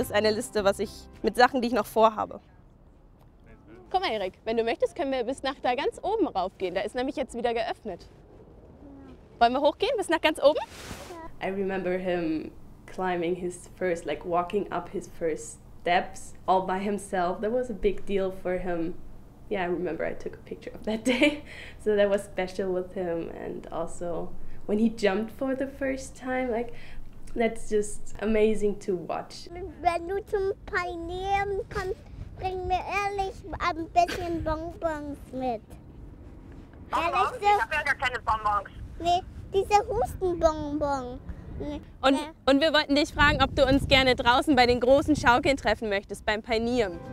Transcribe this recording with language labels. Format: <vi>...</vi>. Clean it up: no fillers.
<de>ist eine Liste, was ich mit Sachen, die ich noch vorhabe. Guck mal, Erik, wenn du möchtest, können wir bis nach da ganz oben raufgehen. Da ist nämlich jetzt wieder geöffnet. Ja. Wollen wir hochgehen bis nach ganz oben? Ja.</de> <en>I remember him climbing his first, like walking up his first steps all by himself. That was a big deal for him. Yeah, I remember I took a picture of that day. So that was special with him. And also when he jumped for the first time, like, that's just amazing to watch.</en> <de>Wenn du zum Pioneer kommst, bring mir ehrlich ein bisschen Bonbons mit. Bonbons? Ich habe ja gar keine Bonbons. Nee, diese Hustenbonbon. Und wir wollten dich fragen, ob du uns gerne draußen bei den großen Schaukeln treffen möchtest, beim Pioneer.</de>